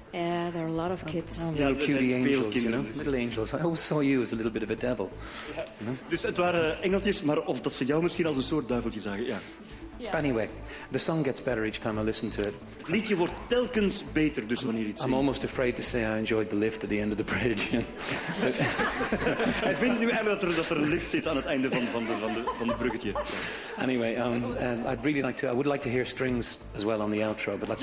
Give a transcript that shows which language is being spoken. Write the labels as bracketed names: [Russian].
[English] Yeah, there are a lot of kids. Oh, yeah, cutie angels, [Dutch] veel kinderen. [English] You know? Little angels. I always saw you as a little bit of a devil. Yeah. You know? [Dutch] Dus het waren engeltjes, maar of dat ze jou misschien als een soort duiveltje zagen, ja. [English] Yeah. Anyway, the song gets better each time I listen to it. [Dutch] Het liedje wordt telkens beter, dus wanneer je het ziet. [English] I'm almost afraid to say I enjoyed the lift at the end of the bridge. [Dutch] Hij vindt nu eigenlijk dat er een lift zit aan het einde van de bruggetje. [English] Anyway, I'd really like to. I would like to hear strings as well on the outro, but that's